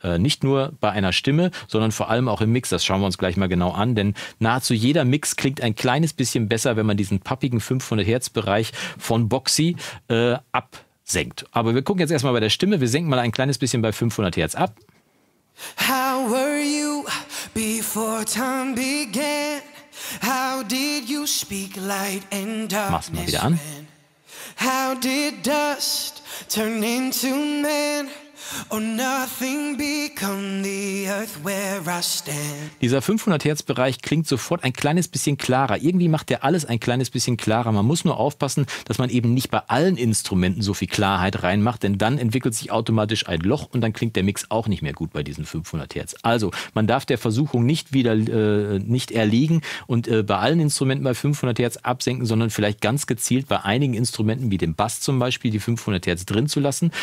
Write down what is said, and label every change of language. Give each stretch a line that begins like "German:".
German: Nicht nur bei einer Stimme, sondern vor allem auch im Mix. Das schauen wir uns gleich mal genau an, denn nahezu jeder Mix klingt ein kleines bisschen besser, wenn man diesen pappigen 500-Hertz-Bereich von Boxy absenkt. Aber wir gucken jetzt erstmal bei der Stimme. Wir senken mal ein kleines bisschen bei 500 Hertz ab.
English: How were you before time began? How did you speak light and darkness?
German: Mach's mal wieder an.
English: How did dust turn into man? Or nothing become the earth where I stand.
German: Dieser 500-Hertz-Bereich klingt sofort ein kleines bisschen klarer. Irgendwie macht der alles ein kleines bisschen klarer. Man muss nur aufpassen, dass man eben nicht bei allen Instrumenten so viel Klarheit reinmacht, denn dann entwickelt sich automatisch ein Loch und dann klingt der Mix auch nicht mehr gut bei diesen 500-Hertz. Also, man darf der Versuchung nicht erliegen und bei allen Instrumenten bei 500-Hertz absenken, sondern vielleicht ganz gezielt bei einigen Instrumenten wie dem Bass zum Beispiel die 500-Hertz drin zu lassen.